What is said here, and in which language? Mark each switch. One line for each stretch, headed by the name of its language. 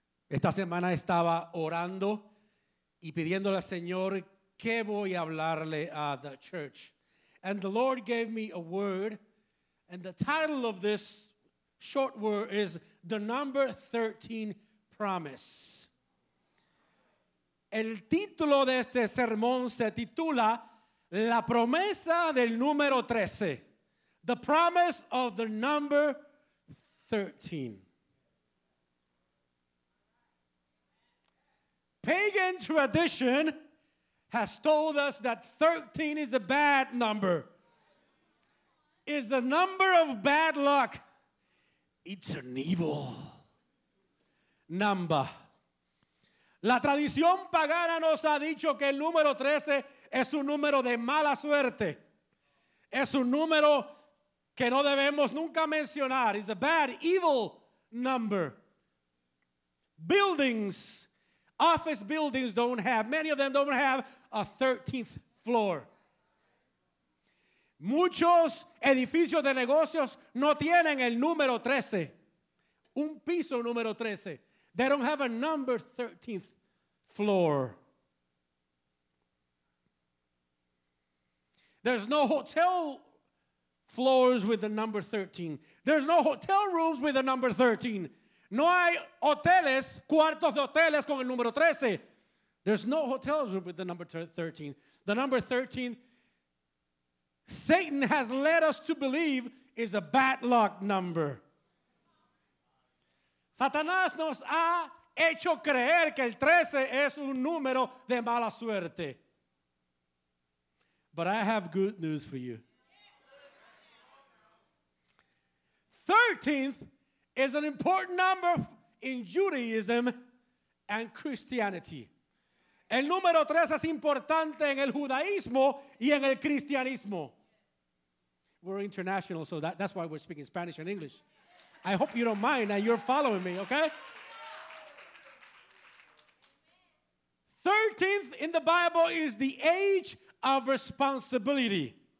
Spanish: Esta semana estaba orando y pidiéndole al Señor qué voy a hablarle a
English: the church. And the Lord gave me a word, and the title of this short word is The Number 13 Promise.
Spanish: El título de este sermón se titula La promesa del número 13.
English: The promise of the number 13. Pagan tradition has told us that 13 is a bad number. It's the number of bad luck. It's an evil number.
Spanish: La tradición pagana nos ha dicho que el número 13 es un número de mala suerte. Es un número que no debemos nunca mencionar.
English: It's a bad, evil number. Buildings, office buildings don't have, many of them don't have a 13th floor.
Spanish: Muchos edificios de negocios no tienen el número 13. Un piso número 13.
English: They don't have a number 13th. Floor. There's no hotel floors with the number 13. There's no hotel rooms with the number 13.
Spanish: No hay hoteles, cuartos de hoteles con el número 13.
English: There's no hotels with the number 13. The number 13, Satan has led us to believe, is a bad luck number.
Spanish: Satanás nos ha hecho creer que el 13 es un número de mala suerte.
English: But I have good news for you. 13th is an important number in Judaism and Christianity.
Spanish: El número 13 es importante en el judaísmo y en el cristianismo.
English: We're international, so that's why we're speaking Spanish and English. I hope you don't mind and you're following me, okay? 13th in the Bible is the age of responsibility.